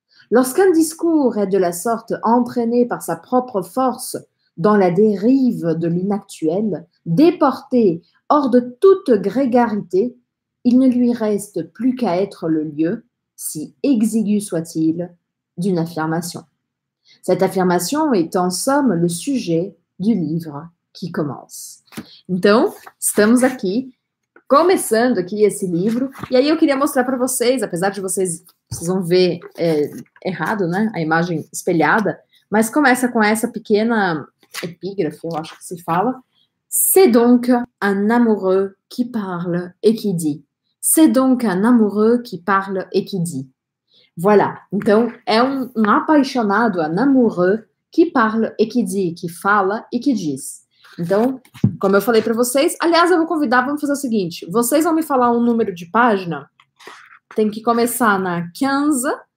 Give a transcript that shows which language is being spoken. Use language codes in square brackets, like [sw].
[fr] Lorsqu'un discours est de la sorte entraîné par sa propre force dans la dérive de l'inactuel, déporté hors de toute grégarité, il ne lui reste plus qu'à être le lieu, si exigu soit-il, d'une affirmation. Cette affirmation est en somme le sujet du livre qui commence. [pt] Então, estamos aqui, começando aqui esse livro, e aí eu queria mostrar para vocês, apesar de vocês vão ver errado, né, a imagem espelhada, mas começa com essa pequena epígrafe, eu acho que se fala. [fr] C'est donc un amoureux qui parle et qui dit. C'est donc un amoureux qui parle et qui dit. Voilà. [pt] Então, é um apaixonado, [fr] un amoureux, qui parle et qui dit, [pt] que fala e que diz. Então, como eu falei para vocês, aliás, eu vou convidar, vamos fazer o seguinte: vocês vão me falar um número de página, tem que começar na 15,